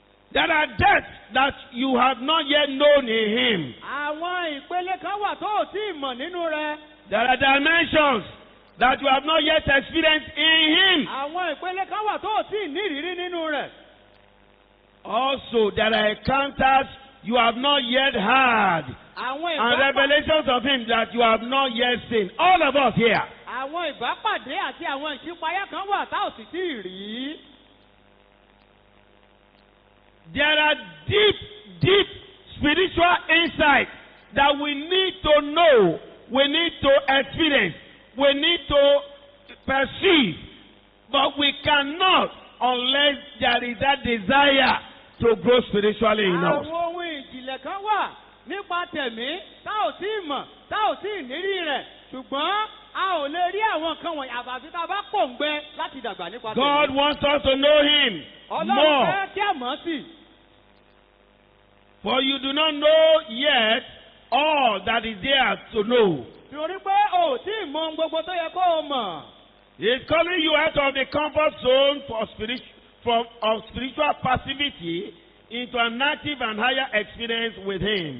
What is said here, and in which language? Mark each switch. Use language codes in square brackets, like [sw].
[en] There are depths that you have not yet known in him. [yo] Àwọn ìpele kan wà tó ò tí ì mọ̀ nínú rẹ. [en] There are dimensions that you have not yet experienced in him. [yo] Àwọn ìpele kan wà tó ò tí ì ní ìrírí nínú rẹ. [en] Also, there are encounters you have not yet had. [yo] Àwọn ìbá [en] and revelations of him that you have not yet seen. All of us here. [yo] Àwọn ìbápàdé àti àwọn ìṣípayá kan wà tá ò sì tí ì rí. [en] There are deep spiritual insights that we need to know, we need to experience, we need to perceive, but we cannot unless there is that desire to grow spiritually in us. [yo] Àwọn ohun ìjìnlẹ̀ kan wà nípa tẹ̀mí tá ò tí ì mọ̀ tá ò tí ì nírí rẹ̀, ṣùgbọ́n a ò lè rí àwọn kan wọ̀nyí àbàfi tá a bá pòǹgbẹ láti dàgbà nípa tẹ̀mí. [en] God wants us to know him more. [yo] Ọlọ́run fẹ́ kí ẹ mọ̀ sí. [en] For you do not know yet all that is there to know. [yo] Torí pé o tí ì mọ gbogbo tó yẹ kó o mọ̀. [en] He is calling you out of the comfort zone of spiritual passivity into an active and higher experience with him.